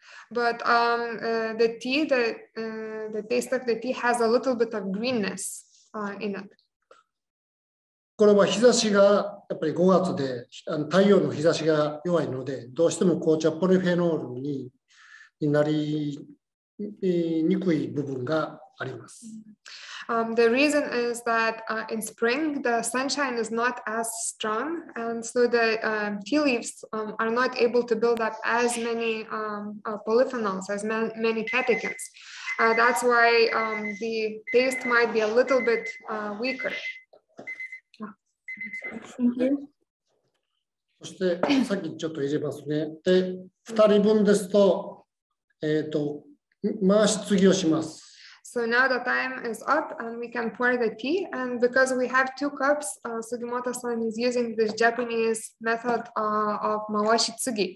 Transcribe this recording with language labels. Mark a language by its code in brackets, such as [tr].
[en] But the tea, the taste of the tea has a little bit of greenness in it. [ja] これは日差しがやっぱり5月で太陽の日差しが弱いのでどうしても紅茶ポリフェノールになりにくい部分があります。 [en] The reason is that in spring the sunshine is not as strong and so the tea leaves are not able to build up as many polyphenols, as many catechins. That's why the taste might be a little bit weaker. [ja] そしてさっきちょっと言いますね。で、2人分ですと、回し継ぎをします。 [en] So now the time is up and we can pour the tea. And because we have two cups, Sugimoto-san is using this Japanese method of mawashi tsugi.